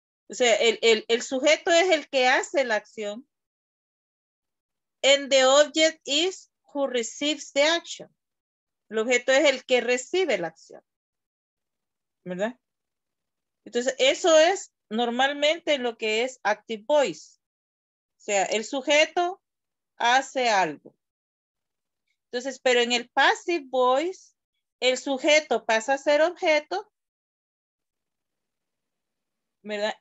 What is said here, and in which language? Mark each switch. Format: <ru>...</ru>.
<es>O sea, el sujeto es el que hace la acción.</es> <en>And the object is who receives the action.</en> <es>El objeto es el que recibe la acción, ¿verdad? Entonces, eso es normalmente lo que es active voice. O sea, el sujeto hace algo. Entonces, pero en el passive voice, el sujeto pasa a ser objeto, ¿verdad?</es>